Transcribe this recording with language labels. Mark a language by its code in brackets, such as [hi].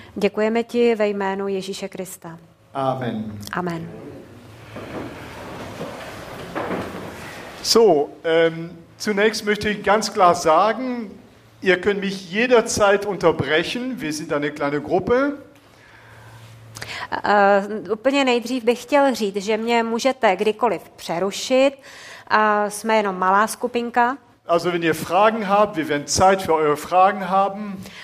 [cs] Děkujeme ti ve jménu Ježíše Krista. Amen. Amen. [de] So, zunächst möchte ich ganz klar sagen, ihr könnt mich jederzeit unterbrechen, wir sind eine kleine Gruppe. [cs] Úplně nejdřív bych chtěl říct, že mě můžete kdykoliv přerušit. Jsme jenom malá skupinka. [de] Also wenn ihr Fragen habt, wir werden Zeit für eure Fragen haben.